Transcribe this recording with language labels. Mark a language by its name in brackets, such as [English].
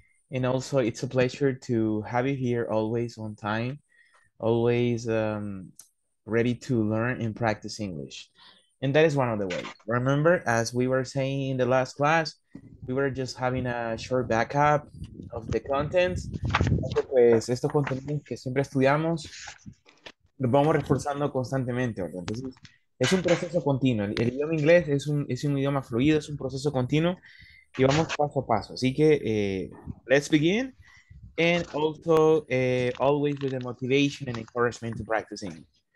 [English] And also, it's a pleasure to have you here always on time, always ready to learn and practice English. And that is one of the ways. Remember, as we were saying in the last class, we were just having a short backup of the contents. [Spanish] Entonces, pues, estos contenidos que siempre estudiamos, los vamos reforzando constantemente, ¿verdad? Entonces, es un proceso continuo. El idioma inglés es un idioma fluido, es un proceso continuo y vamos paso a paso. Así que, [English] let's begin. And also, always with the motivation and encouragement to practice English.